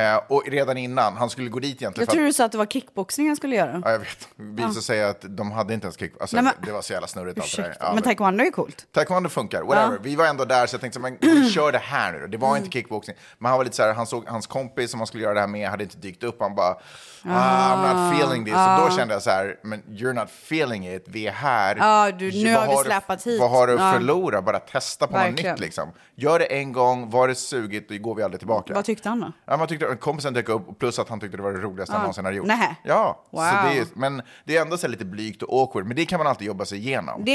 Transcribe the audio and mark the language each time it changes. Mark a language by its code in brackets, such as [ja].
[sv] Och redan innan, han skulle gå dit egentligen. Jag tror du sa att det var kickboxning han skulle göra. Ja, jag vet. Vi ska säga att de hade inte ens kickboxning. Alltså, det var så jävla snurrigt. Allt det där. Ja, men taekwondo är ju coolt. Taekwondo funkar, whatever. Ja. Vi var ändå där så jag tänkte, men vi kör det här nu då. Det var inte kickboxning. Men han var lite så här, han såg hans kompis som han skulle göra det här med. Hade inte dykt upp. Han bara, [en] I'm not feeling this. [sv] Ah. Så då kände jag så här, men [en] you're not feeling it. [sv] Vi är här. Nu har vi släpat hit. Vad har du förlora? Bara testa på något nytt liksom. Gör det en gång, var det sugigt, då går vi aldrig tillbaka. Vad tyckte han då? Ja, man tyckte, kompisen dök upp, plus att han tyckte det var det roligaste han någonsin har gjort. Nähä. Ja, wow. Så det är, men det är ändå så lite blygt och awkward, men det kan man alltid jobba sig igenom.